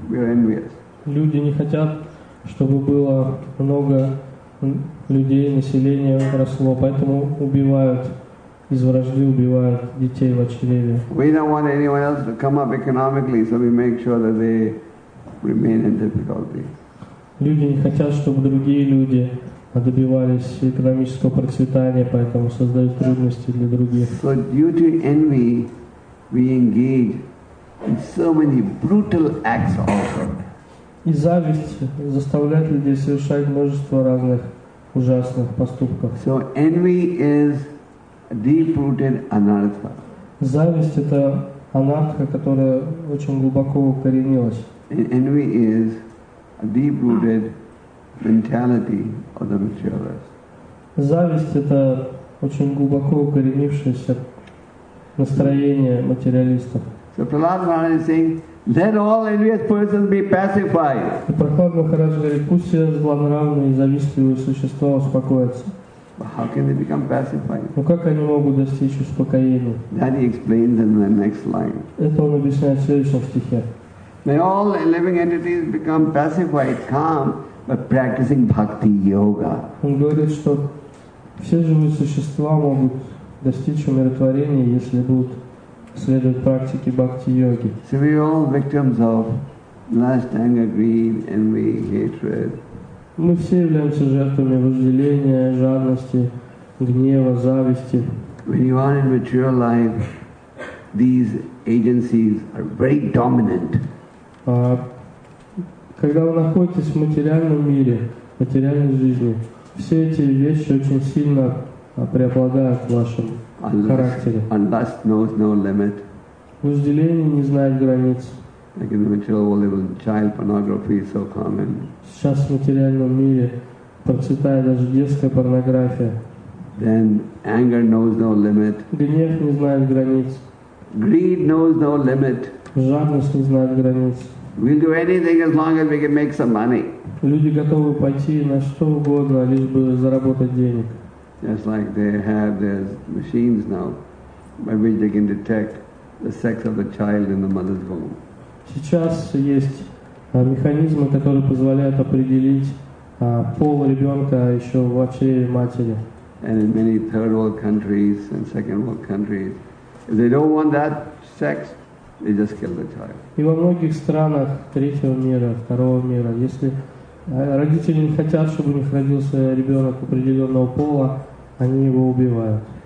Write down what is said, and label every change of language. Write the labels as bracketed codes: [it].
[en] We are envious. [ru] Люди не хотят, чтобы было много людей, население росло, поэтому убивают из вражды убивают детей в чреве. [en] We don't want anyone else to come up economically, so we make sure that they remain in difficulty. [ru] Люди не хотят, чтобы другие люди добивались экономического процветания, поэтому создают трудности для других. [en] So due to envy, we engage in so many brutal acts also. [ru] И зависть заставляет людей совершать множество разных ужасных поступков. [en] So envy is a deep-rooted anartha. [ru] Зависть — это анартха, которая очень глубоко укоренилась. [en] Envy is a deep-rooted mentality of the materialist. [ru] Зависть — это очень глубоко укоренившееся настроение материалистов. [en] So Prahlad Maharaj is saying, let all envious persons be pacified. [ru] И Прохлад Махарадж говорит, пусть все злонравные и завистливые существа успокоятся. [en] But how can they become pacified? [ru] Ну как они могут достичь успокоения? [en] That he explains in the next line. [ru] Это он объясняет в следующем стихе. [en] May all living entities become pacified, calm, by practicing bhakti yoga. [ru] Он говорит, что все живые существа могут достичь умиротворения, если будут следовать практике бхакти йоги. [en] So we are all victims of lust, anger, greed, envy, hatred. [ru] Мы все являемся жертвами вожделения, жадности, гнева, зависти. [en] When you are in material life, these agencies are very dominant. [ru] Когда вы находитесь в материальном мире, в материальной жизни, все эти вещи очень сильно преобладают в вашем характере. [en] And lust knows no limit. [ru] Вожделение не знает границ. [en] Like in the material world, even child pornography is so common. [ru] Сейчас в материальном мире процветает даже детская порнография. [en] then anger knows no limit. [ru] Гнев не знает границ. [en] Greed knows no limit. [ru] Жадность не знает границ. [en] We'll do anything as long as we can make some money. [ru] Люди готовы пойти на что угодно, лишь бы заработать денег. [en] Just like they have their machines now, by which they can detect the sex of the child in the mother's womb. [ru] Сейчас есть механизмы, которые позволяют определить пол ребенка еще в чреве матери. [en] And in many third world countries and second world countries, if they don't want that sex, they just kill the child. [ru] И во многих странах третьего мира, второго мира, если родители не хотят, чтобы у них родился ребенок определенного пола, они его убивают.